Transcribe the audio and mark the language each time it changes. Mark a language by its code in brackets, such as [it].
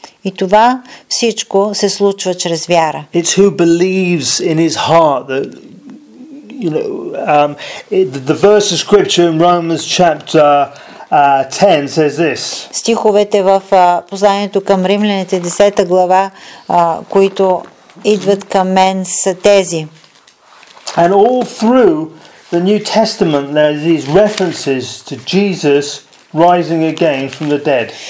[bg] И това всичко се случва чрез вяра. [en] It's who believes in his heart that you know the verse of scripture in Romans chapter 10 says this. [bg] Стиховете в посланието към Римляните 10-та глава, които идват към мен са тези. [en] And all through the New Testament there are these references to Jesus rising again from the dead.